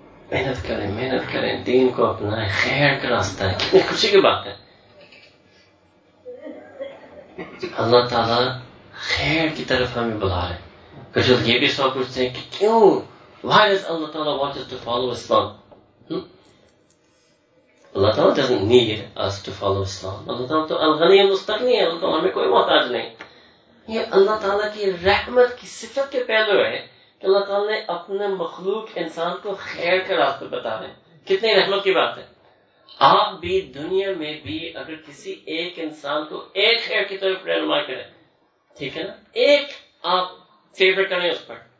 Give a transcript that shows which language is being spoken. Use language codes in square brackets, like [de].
[ur] محنت کریں محنت کریں, دین کو اپنائیں, خیر کا راستہ ہے, کتنی خوشی کی بات ہے. اللہ تعالیٰ خیر کی طرف ہمیں بلا رہے ہیں. کچھ لوگ یہ بھی سوال پوچھتے ہیں کہ کیوں [en] why does Allah Ta'ala want us to follow Islam. Allah Ta'ala doesn't need us to follow Islam. [ur] Allah Ta'ala تو الغنی المستغنی ہے, اللہ تعالیٰ ہمیں کوئی محتاج نہیں. یہ اللہ تعالیٰ کی رحمت کی صفت کے پہلو ہے کہ اللہ تعالیٰ نے اپنے مخلوق انسان کو خیر کے راستے بتا رہے ہیں. کتنی رحمت کی بات ہے. آپ بھی دنیا میں بھی اگر کسی ایک انسان کو ایک خیر کی طرف رہنما کریں, ٹھیک ہے نا, ایک آپ فیور کریں اس پر.